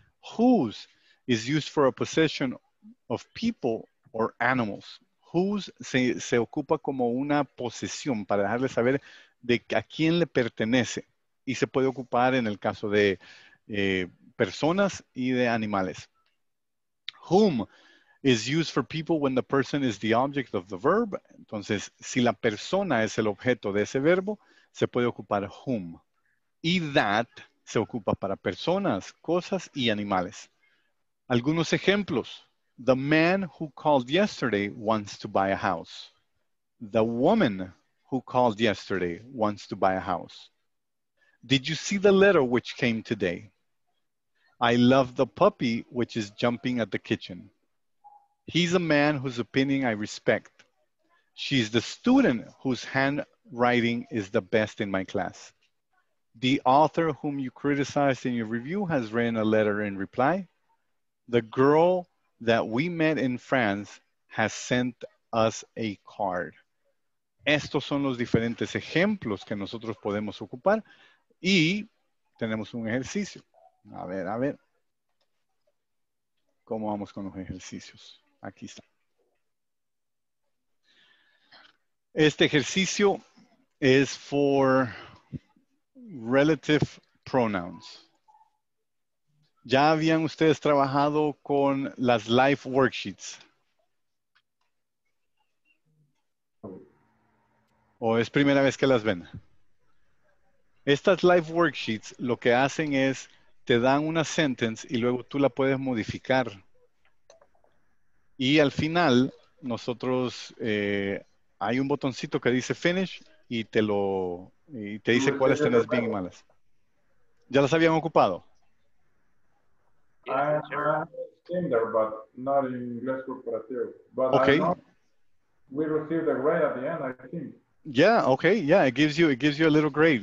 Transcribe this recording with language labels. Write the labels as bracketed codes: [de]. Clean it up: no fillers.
[en] Whose is used for a possession of people or animals. [es] Whose se ocupa como una posesión para dejarle saber de a quién le pertenece. Y se puede ocupar en el caso de personas y de animales. Whom is used for people when the person is the object of the verb. Entonces, si la persona es el objeto de ese verbo, se puede ocupar whom. Y that se ocupa para personas, cosas y animales. Algunos ejemplos. [en] The man who called yesterday wants to buy a house. The woman who called yesterday wants to buy a house. Did you see the letter which came today? I love the puppy which is jumping at the kitchen. He's a man whose opinion I respect. She's the student whose handwriting is the best in my class. The author whom you criticized in your review has written a letter in reply. The girl that we met in France has sent us a card. [es] Estos son los diferentes ejemplos que nosotros podemos ocupar. Y tenemos un ejercicio. A ver, ¿cómo vamos con los ejercicios? Aquí está. Este ejercicio es [en] for relative pronouns. [es] ¿Ya habían ustedes trabajado con las life worksheets? ¿O es primera vez que las ven? Estas live worksheets lo que hacen es te dan una sentence y luego tú la puedes modificar. Y al final nosotros hay un botoncito que dice finish y te lo y te dice cuáles tenés bien y malas. ¿Ya las habían ocupado? [en] I have in there, but not in English corporativo. But okay. We received a grade at the end, I think. Yeah, okay, yeah, it gives you a little grade.